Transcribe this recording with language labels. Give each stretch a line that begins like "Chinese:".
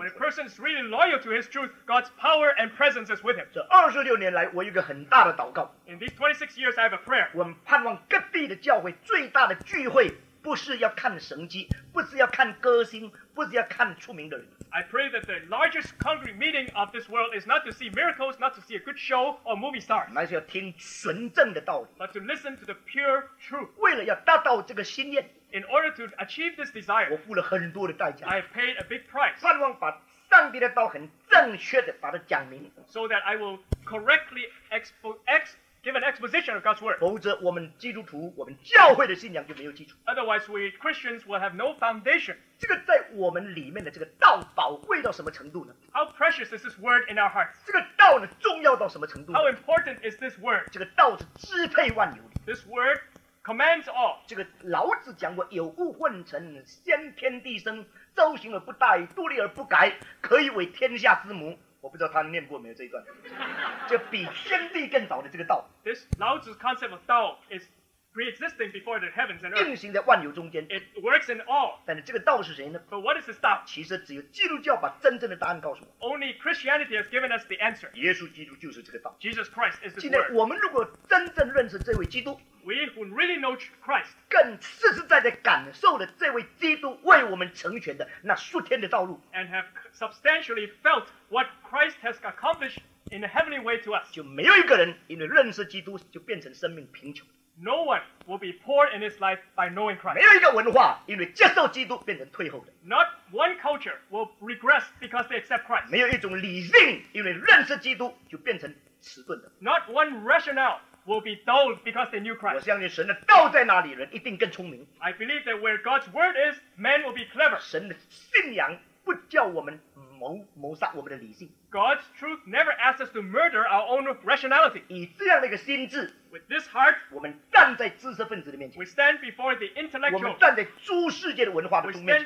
English: When a person is really loyal to his truth, God's power and presence is with him.
Chinese: 这二十六年来，我有一个很大的祷告。
English: In these 26 years, I have a prayer.
Chinese: 我们盼望各地的教会最大的聚会，不是要看神迹，不是要看歌星，不是要看出名的人。
English: I pray that the largest congregate meeting of this world is not to see miracles, not to see a good show or movie star,
Chinese: 乃是要听纯正的道理，
English: but to listen to the pure truth.
Chinese: 为了要达到这个心愿，
English: in order to achieve this desire,
Chinese: 我付了很多的代价，
English: I have paid a big price.
Chinese: 盼望把上帝的道很正确的把它讲明，
English: so that I will correctly give an exposition of God's word.
Chinese: 否则我们基督徒，我们教会的信仰就没有基础。
English: Otherwise, we Christians will have no foundation.
Chinese: 这个在我们里面的这个道宝贵到什么程度呢？
English: How precious is this word in our hearts?
Chinese: 这个道呢，重要到什么程度呢？
English: How important is this word?
Chinese: 这个道是支配万有的。
English: This word commands all.
Chinese: 这个老子讲过，有物混成，先天地生，周行而不殆，独立而不改，可以为天下之母。我不知道他念过没有这一段，就比天地更早的这个道。
English: This 老子 concept of 道 is pre-existing before the heavens and earth.
Chinese: 运行在万有中间。
English: It works in all.
Chinese: 但是这个道是谁呢？
English: But what is this 道？
Chinese: 其实只有基督教把真正的答案告诉我。
English: Only Christianity has given us the answer.
Chinese: 耶稣基督就是这个道。
English: Jesus Christ is the word.
Chinese: 今天我们如果真正认识这位基督，
English: we who really know Christ,
Chinese: 更实实在在感受了这位基督为我们成全的那数天的道路，
English: and have substantially felt what Christ has accomplished in a heavenly way to us,
Chinese: 就没有一个人因为认识基督就变成生命贫穷。
English: No one will be poor in his life by knowing Christ.
Chinese: 没有一个文化因为接受基督变成退后的。
English: Not one culture will regress because they accept Christ.
Chinese: 没有一种理性因为认识基督就变成迟钝的。
English: Not one rationale will be dulled because they knew Christ.
Chinese: 我相信神的道在哪里，人一定更聪明。
English: I believe that where God's word is, man will be clever.
Chinese: 神的信仰不叫我们谋杀我们的理性。
English: God's truth never asks us to murder our own rationality.
Chinese: 以这样的一个心智，
English: with this heart,
Chinese: 我们站在知识分子的面前，
English: we stand before the intellectual,
Chinese: 我们站在诸世界的文化的面前，